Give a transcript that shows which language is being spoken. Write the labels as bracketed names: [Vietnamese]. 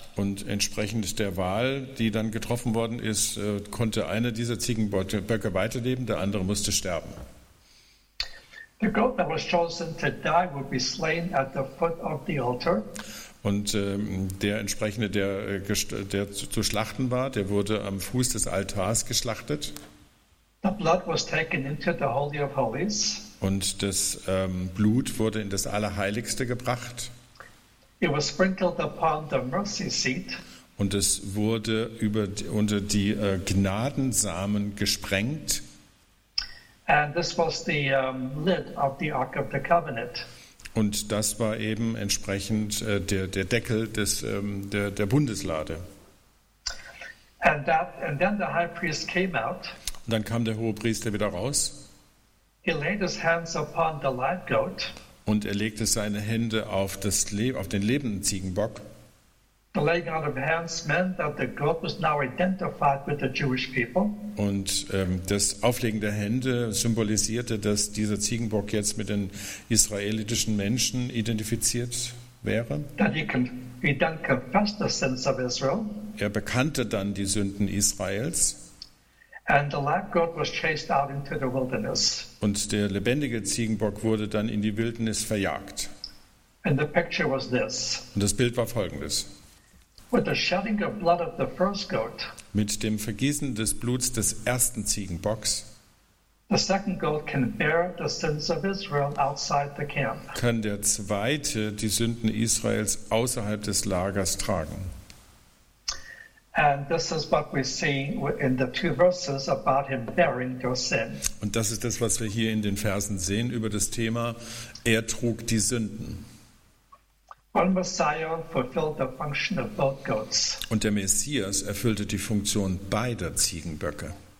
[German] Und entsprechend der Wahl, die dann getroffen worden ist, konnte einer dieser Ziegenböcke weiterleben, der andere musste sterben. [English] The goat that was chosen to die would be slain at the foot of the altar. [German] Und der entsprechende, der zu schlachten war, der wurde am Fuß des Altars geschlachtet. [English] The blood was taken into the Holy of Holies. [German] Und das Blut wurde in das Allerheiligste gebracht. [English] It was sprinkled upon the mercy seat. [German] Und es wurde unter die Gnadensamen gesprengt. [English] And this was the lid of the Ark of the Covenant. [German] Und das war eben entsprechend der Deckel des der Bundeslade. [English] And then the high priest came out. [German] Und dann kam der Hohepriester wieder raus. [English] He laid his hands upon the live goat. [German] Und er legte seine Hände auf auf den lebenden Ziegenbock. [English] The laying on of hands meant that the goat was now identified with the Jewish people. [German] Und das Auflegen der Hände symbolisierte, dass dieser Ziegenbock jetzt mit den israelitischen Menschen identifiziert wäre. [English] That he then confessed the sins of Israel. [German] Er bekannte dann die Sünden Israels. [English] And the live goat was chased out into the wilderness. [German] Und der lebendige Ziegenbock wurde dann in die Wildnis verjagt. [English] And the picture was this. [German] Und das Bild war folgendes. [English] With the shedding of blood of the first goat, [German] mit dem Vergießen des Bluts des ersten Ziegenbocks, [English] the second goat can bear the sins of Israel outside the camp. [German] Kann der zweite die Sünden Israels außerhalb des Lagers tragen. [English] And this is what we see in the two verses about him bearing their sin. [German] Und das ist das, was wir hier in den Versen sehen über das Thema, er trug die Sünden. [English] One Messiah fulfilled the function of both goats. [German] Und der Messias erfüllte die Funktion beider Ziegenböcke.